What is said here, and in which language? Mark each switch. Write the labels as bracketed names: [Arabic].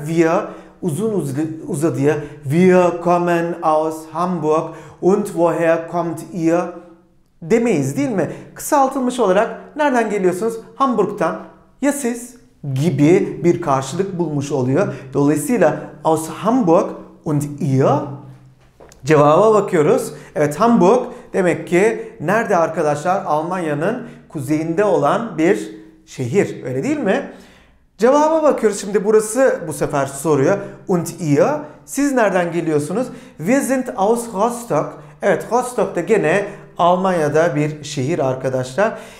[German] Wir, [Turkish] uzun uzadıya. [German] Wir kommen aus Hamburg. Und woher kommt ihr? [Turkish] Demeyiz değil mi? Kısaltılmış olarak nereden geliyorsunuz? Hamburg'dan. Ya siz? Gibi bir karşılık bulmuş oluyor. Dolayısıyla [German] aus Hamburg und ihr? [Turkish] Cevaba bakıyoruz. Evet, Hamburg demek ki nerede arkadaşlar? Almanya'nın kuzeyinde olan bir şehir. Öyle değil mi? Cevaba bakıyoruz. Şimdi burası bu sefer soruyor. [German] Und ihr? [Turkish] Siz nereden geliyorsunuz? [German] Wir sind aus Rostock. [Turkish] Evet, Rostock da gene Almanya'da bir şehir arkadaşlar.